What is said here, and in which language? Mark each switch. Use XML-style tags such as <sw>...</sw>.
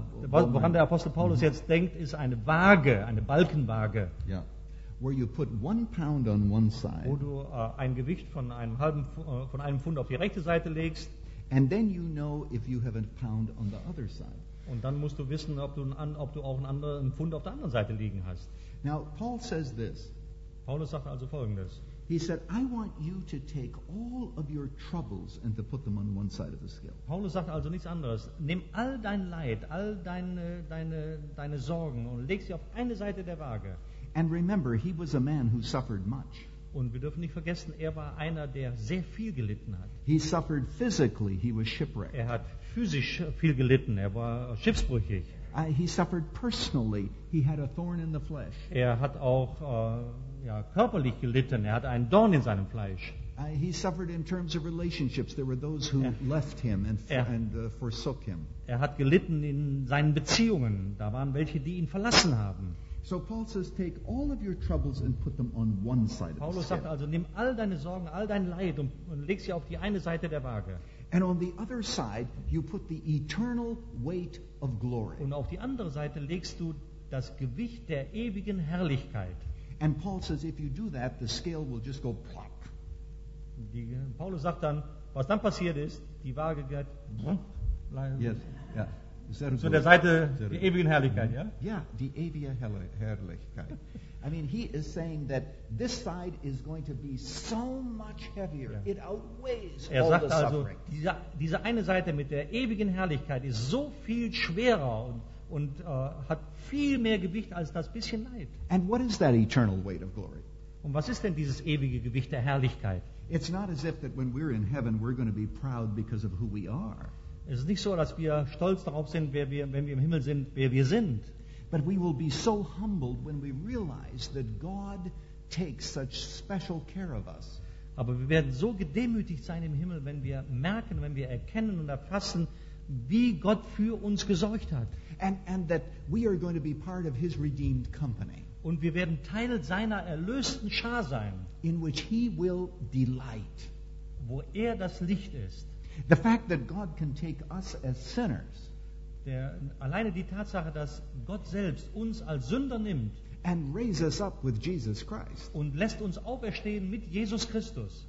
<de>Woran der Apostel Paulus jetzt denkt, ist eine Waage, eine Balkenwaage. Ja. Yeah.</de> <en>Where you put 1 pound on one side,</en> <de>wo du ein Gewicht von einem halben von einem Pfund auf die rechte Seite legst,</de> <en>and then you know if you have a pound on the other side.</en> <de>Und dann musst du wissen, ob du auch einen Pfund auf der anderen Seite liegen hast.</de> <en>Now Paul says this.</en> <de>Paulus sagt also Folgendes.</de> <en>He said, "I want you to take all of your troubles and to put them on one side of the scale."</en> <de>Paulus sagt also nichts anderes. Nimm all dein Leid, all deine Sorgen und leg sie auf eine Seite der Waage.</de> <en>And remember, he was a man who suffered much.</en> <de>Und wir dürfen nicht vergessen, er war einer, der sehr viel gelitten hat.</de> <en>He suffered physically, he was shipwrecked.</en> <de>Er hat physisch viel gelitten, er war schiffsbrüchig.</de> <en>He suffered personally, he had a thorn in the flesh.</en> <de>Er hat auch körperlich gelitten, er hat einen Dorn in seinem Fleisch.</de> <en>He suffered in terms of relationships, there were those who left him and forsook him.</en> <de>Er hat gelitten in seinen Beziehungen, da waren welche, die ihn verlassen haben.</de> <en>So Paul says, take all of your troubles and put them on one side.</en> <de>Paulus sagt also, nimm all deine Sorgen, all dein Leid und leg sie auf die eine Seite der Waage.</de> <en>And on the other side, you put the eternal weight of glory.</en> <de>Und auf die andere Seite legst du das Gewicht der ewigen Herrlichkeit.</de> <en>And Paul says, if you do that, the scale will just go plop.</en> <de>Paulus sagt dann, was dann passiert ist, die Waage geht. Yes. Yeah. Zu der Seite der ewigen Herrlichkeit, ja? Ja, die ewige Herrlichkeit.</de> <en>I mean, he is saying that this side is going to be so much heavier. Yeah. It outweighs all the suffering.</en> <de>Er sagt also, diese eine Seite mit der ewigen Herrlichkeit ist so viel schwerer und hat viel mehr Gewicht als das bisschen Leid.</de> <en>And what is that eternal weight of glory?</en> <de>Und was ist denn dieses ewige Gewicht der Herrlichkeit?</de> <en>It's not as if that when we're in heaven we're going to be proud because of who we are.</en> <de>Es ist nicht so, dass wir stolz darauf sind, wenn wir im Himmel sind, wer wir sind.</de> <en>But we will be so humbled when we realize that God takes such special care of us.</en> <de>Aber wir werden so gedemütigt sein im Himmel, wenn wir merken, wenn wir erkennen und erfassen, wie Gott für uns gesorgt hat.</de> <en>And that we are going to be part of his redeemed company.</en> <de>Und wir werden Teil seiner erlösten Schar sein,</de> <en>in which he will delight.</en> <de>Wo er das Licht ist.</de> <en>The fact that God can take us as sinners,</en> <de>alleine die Tatsache, dass Gott selbst uns als Sünder nimmt,</de> <en>and raise us up with Jesus Christ,</en> <de>und lässt uns auferstehen mit Jesus Christus,</de>